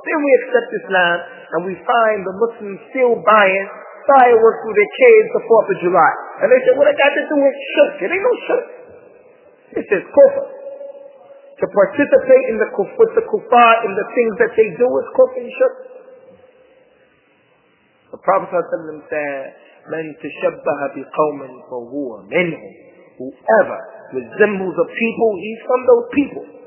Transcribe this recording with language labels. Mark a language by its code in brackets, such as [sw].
[en] Then we accept Islam, and we find the Muslims still buying fireworks with their kids the 4th of July. And they say, what I got to do with shirk? It ain't no shirk. It says kufr. To participate in the kufr, the kufar, in the things that they do is kufr and shirk. The Prophet said, [ar] من تشبه بقوم فهو منهم. [en] Whoever resembles a people, he's from those people.